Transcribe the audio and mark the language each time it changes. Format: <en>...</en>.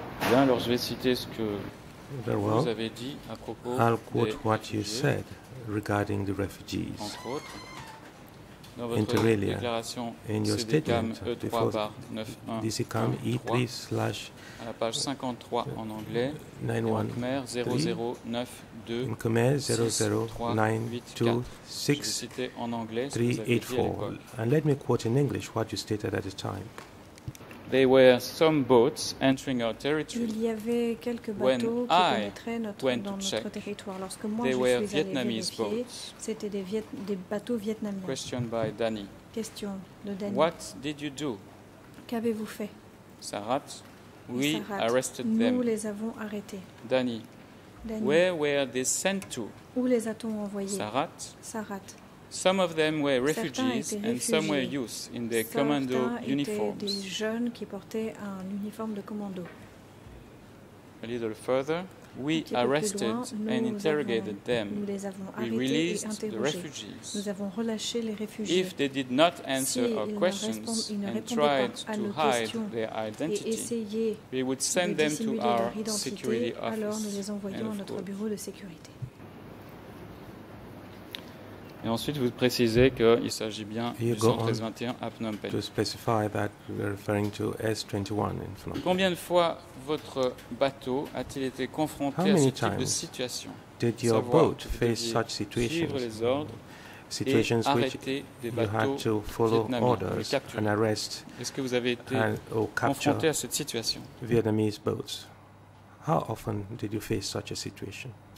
<fr>Bien, alors je vais citer ce que vous avez dit à propos des réfugiés.</fr> <en>I'll quote what you said regarding the refugees.</en> <fr>Entre autres, dans votre déclaration,</fr> <en>in your statement,</en> <fr>DCCAM E3/ à la page 53 en anglais, en Khmer 00923683384.</fr> <en>And let me quote in English what you stated at the time. There were some boats entering our territory.</en> <fr>Il y avait quelques bateaux qui pénétraient dans notre territoire. Lorsque moi, je suis allé vérifier, c'était des bateaux vietnamiens.</fr> <en>Question by Danny.</en> <fr>Question de Danny.</fr> <en>What did you do?</en> <fr>Qu'avez-vous fait?</fr> <en>Sarat, we arrested</en> <fr>nous</fr> <en>them.</en> <fr>Nous les avons arrêtés.</fr> <en>Danny, where were they sent to?</en> <fr>Où les a-t-on envoyés?</fr> <en>Sarat. Some of them were refugees and some were youths in their commando uniforms.</en> <fr>Des jeunes qui portaient un uniforme de commando.</fr> <en>A little further, we arrested and interrogated them.</en> <fr>Nous les avons arrêtés et interrogés.</fr> <en>The refugees.</en> <fr>Nous avons relâché les réfugiés.</fr> <en>If they did not answer our questions and tried to hide their identity, we would send them to our security office.</en> <fr>Alors nous les envoyons à notre bureau de sécurité. Et ensuite, vous précisez qu'il s'agit bien</fr> <en>you</en> <fr>du 1321 à Phnom Penh.</fr> <en>To specify that we're referring to S21 in Phnom Penh.</en> <fr>Combien de fois votre bateau a-t-il été confronté</fr> <en>How many</en> <fr>à ce type de situation?</fr> <en>Did your boat face such situations?</en> <fr>Suivre les ordres</fr> <en>situations</en> <fr>et</fr> <en>which you had to follow orders and arrest</en> <fr>Est-ce que vous avez été confronté à cette situation?</fr> <en>Vietnamese boats. How often did you face such a situation?</en>